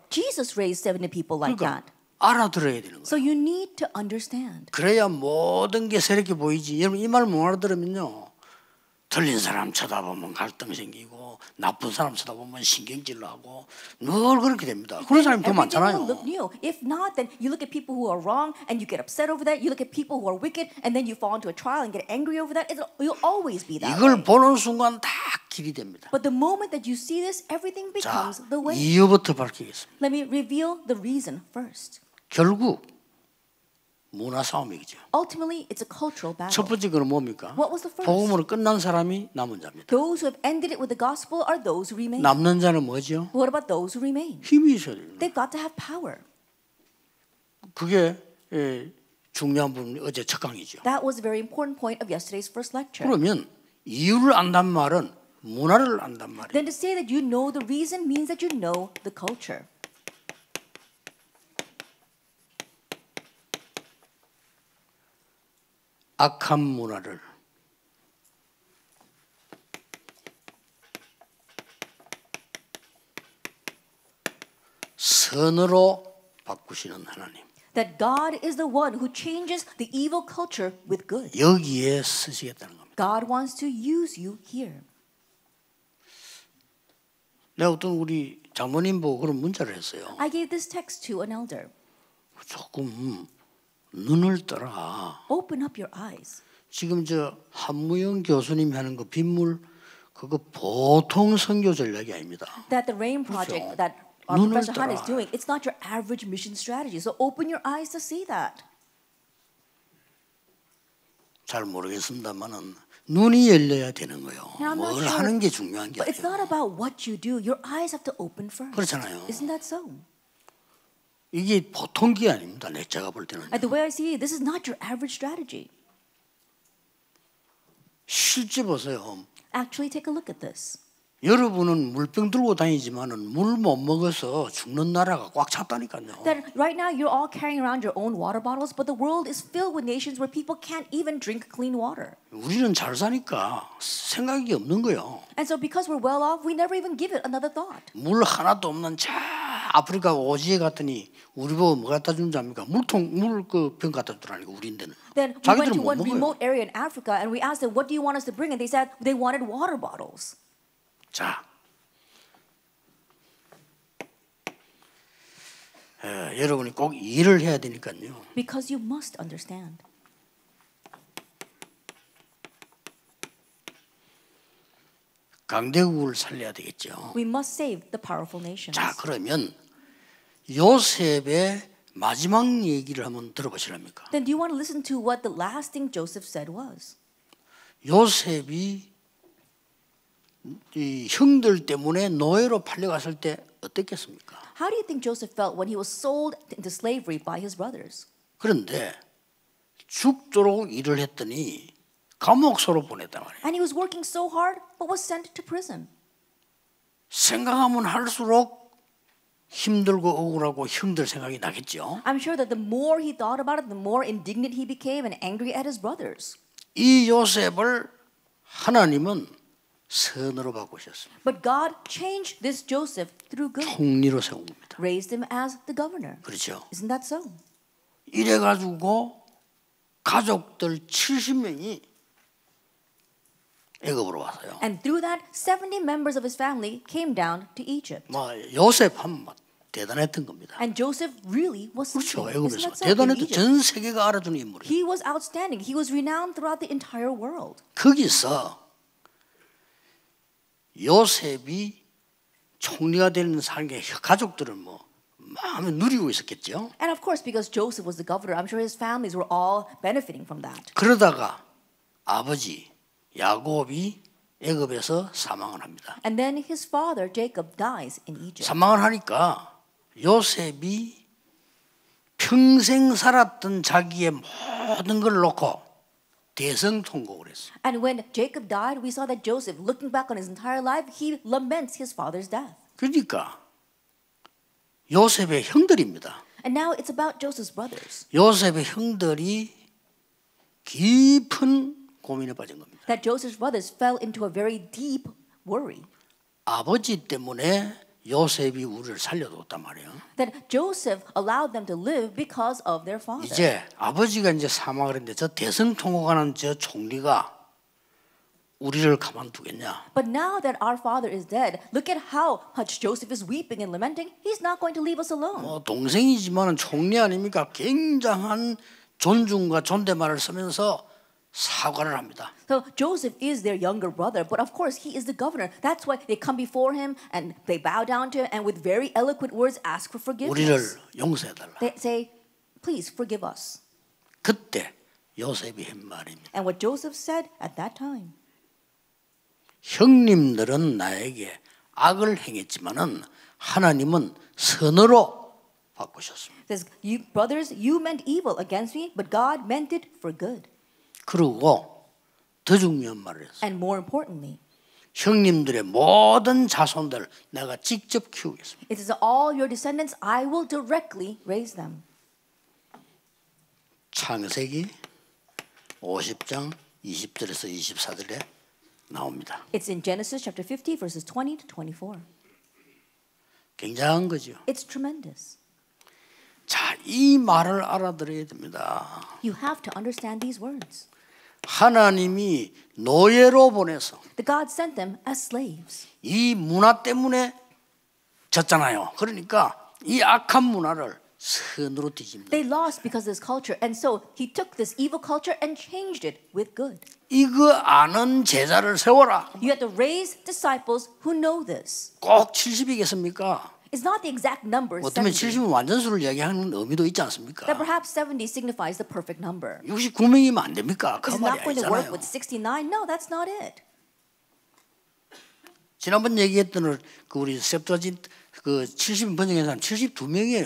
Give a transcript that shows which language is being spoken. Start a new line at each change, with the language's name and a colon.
English: Jesus raised 70 people like
Korean: 그러니까
English: that.
Korean: 알아들어야 되는 거야.
English: So you need to understand.
Korean: 그래야 모든 게 새롭게 보이지. 여러분 이 말 못 알아들으면요. 틀린 사람 쳐다보면 갈등 생기고 나쁜 사람 쳐다보면 신경질 나고 늘 그렇게 됩니다. 그런 사람이 더 많잖아요.
English: Look new. If not, then you look at people who are wrong and you get upset over that. You look at people who are wicked and then you fall into a trial and get angry over that. You'll always be that.
Korean: 이걸
English: way.
Korean: 보는 순간 다 길이 됩니다.
English: But the moment that you see this, everything becomes
Korean: 자,
English: the way.
Korean: 이유부터 밝히겠습니다.
English: Let me reveal the reason first.
Korean: 결국 문화 싸움이죠.
English: Ultimately, it's a cultural battle.
Korean: 첫 번째 그는 뭡니까?
English: What was the first?
Korean: 복음으로 끝난 사람이 남은 자입니다.
English: Those who have ended it with the gospel are those who remain.
Korean: 남는 자는 뭐죠?
English: What about those who remain?
Korean: 힘이 있어야 됩니다.
English: They've got to have power.
Korean: 그게 예, 중요한 부분이 어제 첫 강의죠.
English: That was a very important point of yesterday's first lecture.
Korean: 그러면 이유를 안단 말은 문화를 안단 말이에요.
English: Then to say that you know the reason means that you know the culture.
Korean: 악한 문화를 선으로 바꾸시는 하나님.
English: That God is the one who changes the evil culture with good.
Korean: 여기에 쓰시겠다는 겁니다.
English: God wants to use you here.
Korean: 내가 어떤 우리 장모님 보고 그런 문자를 했어요.
English: I gave this text to an elder.
Korean: 조금 눈을 떠라.
English: Open up your eyes.
Korean: 지금 저 한무영 교수님 하는 그 빗물 그거 보통 선교 전략이 아닙니다.
English: That the rain project
Korean: 그렇죠?
English: that Professor Han is doing, it's not your average mission strategy. So open your eyes to see that.
Korean: 잘 모르겠습니다만은 눈이 열려야 되는 거예요. 뭘
English: sure.
Korean: 하는 게 중요한 게
English: But
Korean: 아니에요.
English: It's not about what you do. Your eyes have to open first.
Korean: 그렇잖아요.
English: Isn't that so?
Korean: 이게 보통 게 아닙니다. 내 제가 볼 때는.
English: The way I see it, this is not your average strategy.
Korean: 실제 보세요.
English: Actually, take a look at this.
Korean: 여러분은 물병 들고 다니지만은 물 못 먹어서 죽는 나라가 꽉 찼다니까요.
English: That right now you're all carrying around your own water bottles, but the world is filled with nations where people can't even drink clean water.
Korean: 우리는 잘 사니까 생각이 없는 거요.
English: And so because we're well off, we never even give it another thought.
Korean: 물 하나도 없는 저 아프리카 오지에 갔더니 우리 보고 뭐 갖다 준 줍니까? 물통 물 그 병 갖다 주라니까 우리인데는.
English: Then we went to one remote area in Africa and we asked them, "What do you want us to bring?" And they said they wanted water bottles.
Korean: 자, 여러분이 꼭 이해를 해야 되니까요.
English: Because you must understand.
Korean: 강대국을 살려야 되겠죠.
English: We must save the powerful nations.
Korean: 자, 그러면 요셉의 마지막 얘기를 한번 들어보시랍니까?
English: Then do you want to listen to what the last thing Joseph said was?
Korean: 요셉이 이 형들 때문에 노예로 팔려갔을 때 어땠겠습니까?
English: How do you think Joseph felt when he was sold into slavery by his brothers?
Korean: 그런데 죽도록 일을 했더니 감옥소로 보냈단 말이에요.
English: And he was working so hard but was sent to prison.
Korean: 생각하면 할수록 힘들고 억울하고 형들 생각이 나겠죠.
English: I'm sure that the more he thought about it the more indignant he became and angry at his brothers.
Korean: 이 요셉을 하나님은 선으로 바꾸셨습니다.
English: But God changed this Joseph through good.
Korean: 총리로 세운 겁니다.
English: Raised him as the governor.
Korean: 그렇죠.
English: Isn't that so?
Korean: 이래 가지고 가족들 70명이 애굽으로 왔어요.
English: And through that 70 members of his family came down to Egypt.
Korean: 뭐 요셉은 대단했던 겁니다.
English: And Joseph really was something.
Korean: 그렇죠. 애굽에서 대단했던 전 세계가 알아주는 인물이에요.
English: He was outstanding. He was renowned throughout the entire world.
Korean: 거기서 요셉이 총리가 되는 상에 가족들은 뭐 마음에 누리고 있었겠죠.
English: And of course, because Joseph was the governor, I'm sure his families were all benefiting from that.
Korean: 그러다가 아버지 야곱이 애굽에서 사망을 합니다.
English: And then his father Jacob dies in Egypt.
Korean: 사망을 하니까 요셉이 평생 살았던 자기의 모든 걸 놓고. 대성 통곡을 했어.
English: And when Jacob died, we saw that Joseph, looking back on his entire life, he laments his father's death.
Korean: 그러니까 요셉의 형들입니다.
English: And now it's about Joseph's brothers.
Korean: 요셉의 형들이 깊은 고민에 빠진 겁니다.
English: That Joseph's brothers fell into a very deep worry.
Korean: 아버지 때문에 요셉이 우리를 살려뒀단 말이에요.
English: That Joseph allowed them to live because of their father.
Korean: 이제 아버지가 이제 사망을 했는데 저 대성통곡하는 저 총리가 우리를 가만두겠냐?
English: But now that our father is dead, look at how much Joseph is weeping and lamenting. He's not going to leave us alone.
Korean: 뭐 동생이지만 총리 아닙니까? 굉장한 존중과 존댓말을 쓰면서 사과를 합니다.
English: So Joseph is their younger brother, but of course he is the governor. That's why they come before him and they bow down to him and with very eloquent words ask for forgiveness.
Korean: 우리를 용서해달라.
English: They say, please forgive us.
Korean: 그때 요셉이 한 말입니다.
English: And what Joseph said at that time.
Korean: 형님들은 나에게 악을 행했지만은 하나님은 선으로 바꾸셨습니다.
English: Says, you brothers, you meant evil against me, but God meant it for good.
Korean: 그리고 더 중요한 말을 했어요.
English: And more importantly,
Korean: 형님들의 모든 자손들 내가 직접 키우겠습니다.
English: It is all your descendants. I will directly raise them.
Korean: 창세기 50장 20절에서 24절에 나옵니다.
English: It's in Genesis chapter 50 verses 20 to 24.
Korean: 굉장한 거죠.
English: It's tremendous.
Korean: 자, 이 말을 알아들어야 됩니다.
English: You have to understand these words.
Korean: 하나님이 노예로 보내서
English: The God sent them as slaves.
Korean: 이 문화 때문에 졌잖아요. 그러니까 이 악한 문화를 선으로 뒤집는.
English: They lost because of this culture, and so he took this evil culture and changed it with good.
Korean: 이거 아는 제자를 세워라.
English: You have to raise disciples who know this.
Korean: 꼭 70이겠습니까?
English: It's not the exact number.
Korean: 어떤 70은 완전수를 이야기하는 의미도 있지 않습니까?
English: That perhaps 70 signifies the perfect number.
Korean: 69명이면 안 됩니까? 그 말이잖아요.
English: It's not going to work with 69. No, that's not it.
Korean: 지난번 얘기했던 그 우리 셉트와진 그 70 번역한 사람 72명이에요.